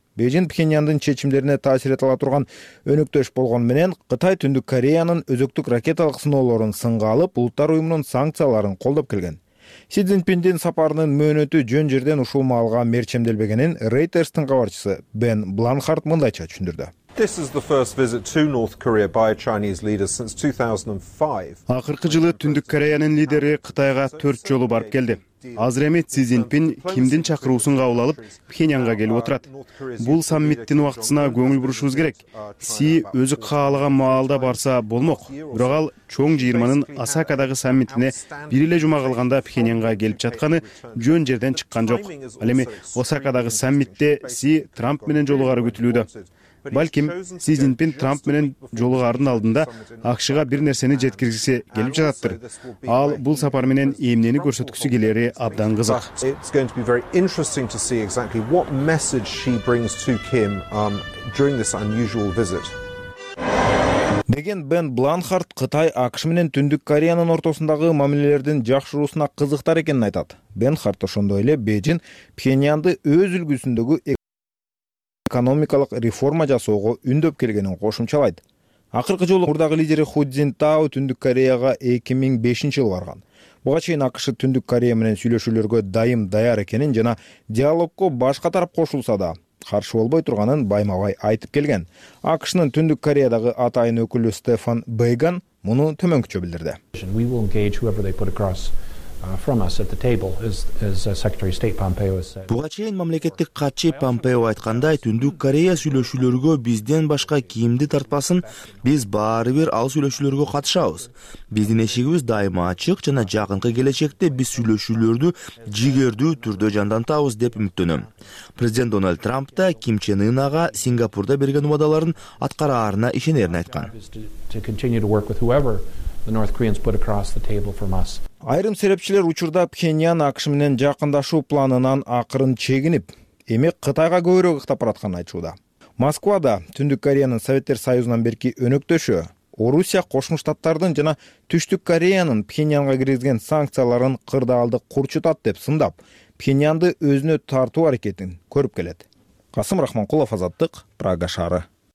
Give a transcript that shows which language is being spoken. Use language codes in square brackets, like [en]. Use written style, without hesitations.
[ky] Бейжин Пхеньяндын чечимдерине таасир эте ала турган өнөктөш болгон менен Кытай Түндүк Кореянын өзөктүк ракеталык сыноолорун сынга алып, улуттар уюмунун санкцияларын колдоп келген. Си Цзиньпиндин сапарынын мөөнөтү жөн жерден ушул маалга мерчемделбегенин Reuters'тин кабарчысы Бен Бланхарт мындайча түшүндүрдү. [en] This is the first visit to North Korea by a Chinese leader since 2005. [ky] Акыркы жылы Түндүк Кореянын лидери Кытайга 4 жолу барып келди. Азыр эми Си Цзиньпин кимдин чакыруусун кабыл алып Пхеньянга келип отурат. Бул саммиттин убактысына көңүл бурушубуз керек. Си өзү каалаган маалда барса болмок, бирок ал чоң жыйырманын Осакадагы саммитине бир эле жума калганда Пхеньянга келип жатканы жөн жерден чыккан жок. Ал эми Осакадагы саммитте Си Трамп менен жолугары күтүлүүдө. Балким Си Цзиньпин Трамп менен жолугаардын алдында АКШга бир нерсени жеткиргиси келип жататтыр. Ал бул сапар менен эмнени көрсөткүсү келери абдан кызык. [en] It's going to be very interesting to see exactly what message she brings to Kim during this unusual visit. [ky] Деген Бен Бланхарт Кытай АКШ менен Түндүк Кореянын ортосундагы мамилелердин жакшыруусуна кызыктар экенин айтат. Бланхарт ошондой эле Бейжин Пхеньянды өз үлгүсүндөгү экономикалык реформа жасоого үндөп келгенин кошумчалайт. Акыркы жолу мурдагы лидери Ху Цзиньтао Түндүк Кореяга 2005 жылы барган. Буга чейин АКШ Түндүк Корея менен сүйлөшүүлөргө дайым даяр экенин жана диалогко башка тарап кошулса да каршы болбой турганын байма-бай айтып келген. АКШнын Түндүк Кореядагы атайын өкүлү Стефан Бейган муну төмөнкүчө билдирди. [en] We will engage whoever they put across from us at the table as Secretary of State Pompeo has said. [ky] Буга чейин мамлекеттик катчы Помпео айткандай, Түндүк Корея сүйлөшүүлөргө бизден башка кимди тартпасын, биз баары бир ал сүйлөшүүлөргө катышабыз. Биздин эшигибиз дайыма ачык жана жакынкы келечекте биз сүйлөшүүлөрдү жигердүү түрдө жандантабыз деп үмүттөнөм. Президент Дональд Трамп да Ким Чен Ын ага Сингапурда берген убадаларын аткарарына ишенерин айткан. [en] To continue to work with whoever the North Koreans put across the table from us. [ky] Айрым серепчилер учурда Пхеньян АКШ менен жакындашуу планынан акырын чегинип, эми Кытайга көбүрөөк ыктап баратканын айтууда. Москвада Түндүк Кореянын Советтер Союзунан берки өнөктөшү Орусия Кошмо Штаттардын жана Түштүк Кореянын Пхеньянга киргизген санкцияларын кырдаалды курчутат деп сындап, Пхеньянды өзүнө тартуу аракетин көрүп келет. Касым Рахманкулов, Азаттык, Прага шаары.